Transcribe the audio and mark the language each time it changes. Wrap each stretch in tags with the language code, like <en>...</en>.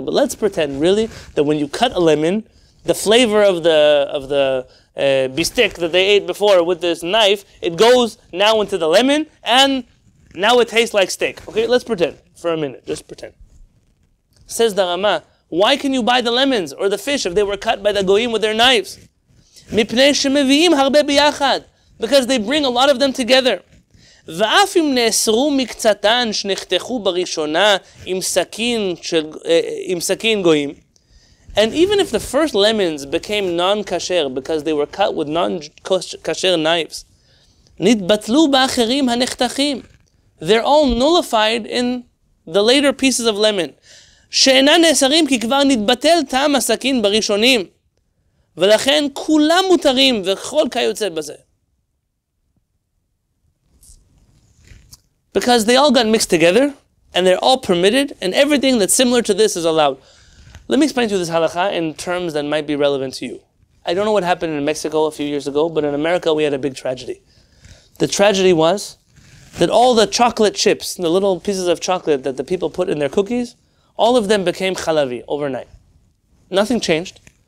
<en>But let's pretend really that when you cut a lemon, the flavor of the bistik that they ate before with this knife, it goes now into the lemon and now it tastes like steak. Okay, let's pretend for a minute. Just pretend. Says the Rama, why can you buy the lemons or the fish if they were cut by the goyim with their knives?</en> <he>Mipnei shemeviim harbe biyachad.</he> <en>Because they bring a lot of them together.</en> <he>ואף אם נאסרו מקצתן שנחתכו בראשונה עם סכין גויים.</he> <en>And even if the first lemons became non-kasher because they were cut with non-kasher knives,</en> <he>נתבטלו באחרים הנחתכים.</he> <en>They're all nullified in the later pieces of lemon.</en> <he>שאינה נאסרים כי כבר נתבטל טעם הסכין בראשונים. ולכן כולם מותרים וכל כיוצא בזה.</he> <en>Because they all got mixed together, and they're all permitted, and everything that's similar to this is allowed. Let me explain to you this halakha in terms that might be relevant to you. I don't know what happened in Mexico a few years ago, but in America we had a big tragedy. The tragedy was that all the chocolate chips, the little pieces of chocolate that the people put in their cookies, all of them became halavi overnight. Nothing changed.</en>